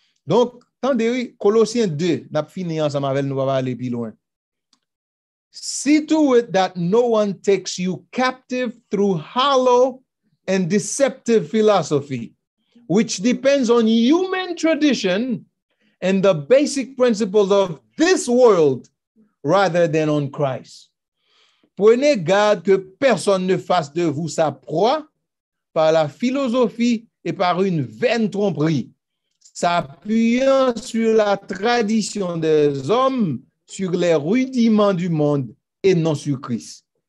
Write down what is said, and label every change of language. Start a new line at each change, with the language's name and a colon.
French: Donc, tant de oui, Colossiens 2, n'a pas fini ensemble avec nous, on va aller plus loin.
English: See to it that no one takes you captive through hollow and deceptive philosophy, which depends on human tradition and the basic principles of this world rather than on Christ.
French: Prenez garde que personne ne fasse de vous sa proie par la philosophie et par une vaine tromperie, s'appuyant sur la tradition des hommes, sur les rudiments du monde et non sur Christ.